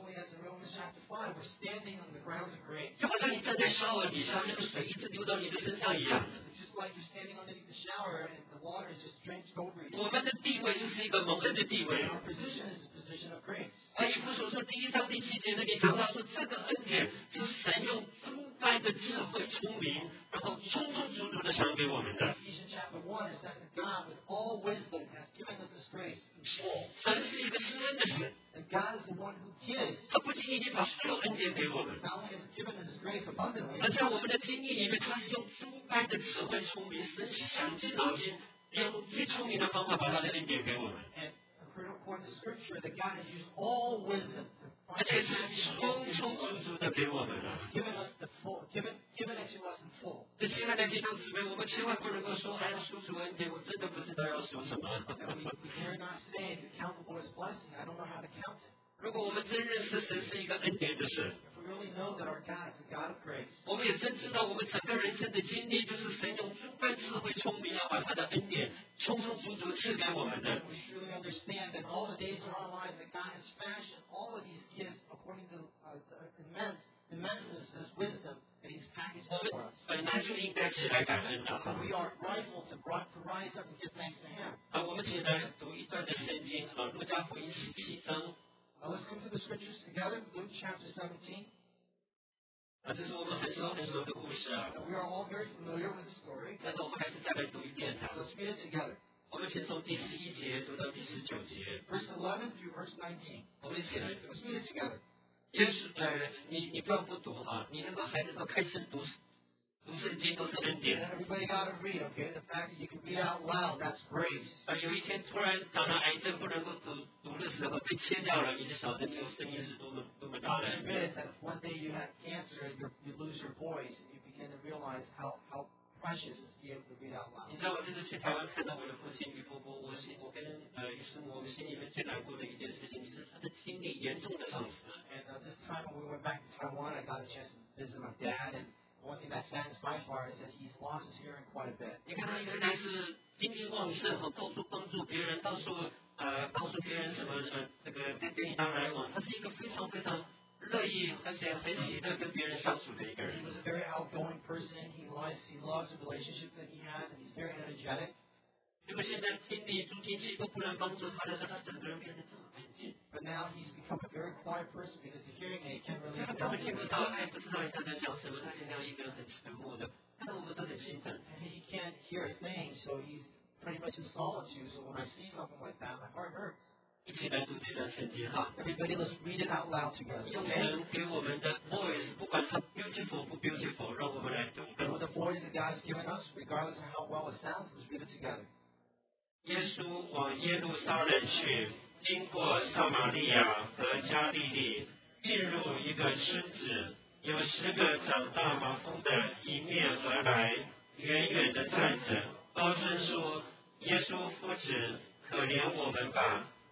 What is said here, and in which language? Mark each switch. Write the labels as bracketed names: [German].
[English] Chapter 5, we're standing on the grounds of grace. [Chinese] 就好像你站在 shower 底下，那个水一直流到你的身上一样。 [English] It's just like you're standing underneath the shower and the water is just drenched over you. [Chinese] 我们的地位就是一个蒙恩的地位。 [English] Our position is a position of grace. [Chinese] 以弗所书第一章第七节那里讲到说，这个恩典是神用诸般的智慧、聪明，然后充充足足的赏给我们的。 [English] Ephesians chapter 1 says that God with all wisdom has given us this grace. [Chinese] 神是一个施恩的神。 [English] And God is the one who gives. [Chinese] 他不仅仅仅把所有恩典给我们。 [English] Not only has given us grace abundantly. [Chinese] 而在我们的经历里面，他是用诸般的智慧、聪明，神想尽脑筋，用最聪明的方法把他的恩典给我们。 [English] And according to the scripture, that God has used all wisdom to find. [Chinese] 而且是充充足足的给我们了。 [English] Given us the full, given it to us in full. [Chinese] 这亲爱的弟兄姊妹，我们千万不能够说，哎呀，数数恩典，我真的不知道要说什么。 [English] We dare not say to count the Lord's blessing. I don't know how to count it. [Chinese] 如果我们真认识神是一个恩典的神， [English] If we really know that our God is a God of grace, [Chinese] 我们也真知道我们整个人生的经历就是神用诸般智慧聪明要把他的恩典充充足足赐给我们的。 [English] We truly understand that all the days of our lives that God has fashioned all of these gifts according to the immense wisdom that He's packaged for us. [Chinese] 本来就应该起来感恩的。 [English] We are rightful to rise up and give thanks to Him. [Chinese] 我们起来读一段的圣经，路加福音17章。 [English] Let's come to the scriptures together, Luke chapter 17. [Chinese] 这是我们很熟很熟的故事啊。 [English] We are all very familiar with the story. [Chinese] 但是我们还是再来读一遍它。 [English] Let's read it together. [Chinese] 我们先从第11节读到第19节。 [English] Verse 11 through verse 19. [Chinese] 我们一起来读。 [English] Let's read it together. [Chinese] 耶稣，你不要不读哈，你能够还能够开声读圣经都是恩典。 [English] Everybody got to read, okay? The fact that you can read out loud, that's grace. [Chinese] 有一天突然长了癌症，不能够读的时候被切掉了，你就晓得你的声音是多么大了。 [English] God forbid that if one day you had cancer and you lose your voice, you begin to realize how precious it is to be able to read out loud. [Chinese] 你知道我这次去台湾看到我的父亲李伯伯，我跟于师母，我心里面最难过的一件事情就是他的听力严重的丧失。 [English] And this time when we went back to Taiwan, I got a chance to visit my dad and. One thing that stands by far is that he's lost his hearing quite a bit. [Chinese] 你看他原来是精力旺盛，和到处帮助别人，到处告诉别人什么这个跟电影当来往。他是一个非常非常乐意而且很喜乐跟别人相处的一个人。 [English] He was a very outgoing person. He loves the relationship that he has, and he's very energetic. [Chinese] 如果现在听力助听器都不能帮助他的时候，他整个人变得这么安静。 [English] But now he's become a very quiet person because the hearing aid can't really help him. [Chinese] 他听不到，他也不知道他在讲什么，他就那样一个人很沉默的。但我们都很心疼。 [English] He can't hear a thing, so he's pretty much in solitude. So when I see something like that, my heart hurts. [Chinese] 一起来读这段圣经哈。 [English] Everybody, let's read it out loud together. [Chinese] 用神给我们的 voice， 不管它 beautiful 不 beautiful， 让我们来读。 [English] With the voice that God's given us, regardless of how well it sounds, let's read it together. [Chinese] 耶稣往耶路撒冷去，经过撒玛利亚和加利利，进入一个村子，有十个长大麻风的迎面而来，远远的站着，高声说：“耶稣夫子，可怜我们吧。”